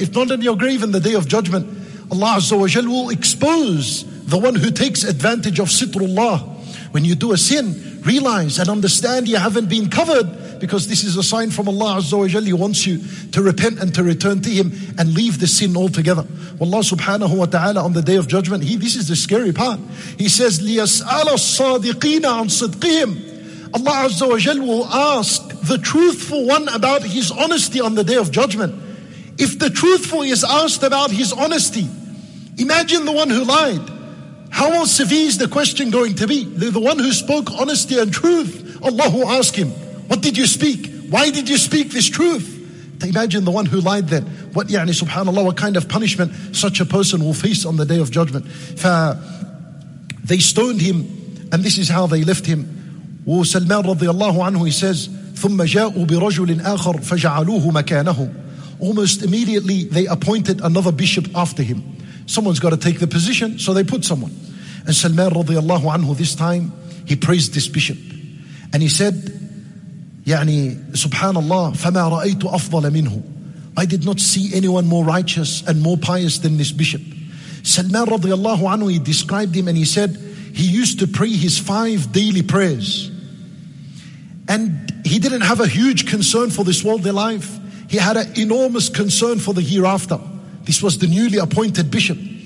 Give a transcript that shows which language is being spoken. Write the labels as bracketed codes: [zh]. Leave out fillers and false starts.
[en] If not in your grave, in the day of judgment, Allah Azza wa Jal will expose the one who takes advantage of Sitrullah. When you do a sin, realize and understand you haven't been covered, because this is a sign from Allah Azza wa Jalla. He wants you to repent and to return to Him and leave the sin altogether. Allah subhanahu wa ta'ala on the day of judgment, this is the scary part. He says, [ar] لِيَسْأَلَ الصَّادِقِينَ عَنْ صِدْقِهِمْ. [en] Allah Azza wa Jalla will ask the truthful one about his honesty on the day of judgment. If the truthful is asked about his honesty, imagine the one who lied. How severe is the question going to be? The one who spoke honesty and truth, Allah will ask him, what did you speak? Why did you speak this truth? To imagine the one who lied then. What, yani, subhanAllah, what kind of punishment such a person will face on the day of judgment. They stoned him, and this is how they left him. [ar] وَسَلْمَانَ رَضِيَ اللَّهُ عَنْهُ, [en] he says, [ar] ثُمَّ جَاءُوا بِرَجُلٍ آخَرٍ فَجَعَلُوهُ مَكَانَهُ. [en] Almost immediately, they appointed another bishop after him. Someone's got to take the position, so they put someone. And Salman radiallahu anhu, this time, he praised this bishop. And he said, [ar] يعني subhanallah, فما رأيت أفضل منه. [en] I did not see anyone more righteous and more pious than this bishop. Salman radiallahu anhu, he described him and he said, he used to pray his 5 daily prayers. And he didn't have a huge concern for this worldly life. He had an enormous concern for the hereafter. This was the newly appointed bishop.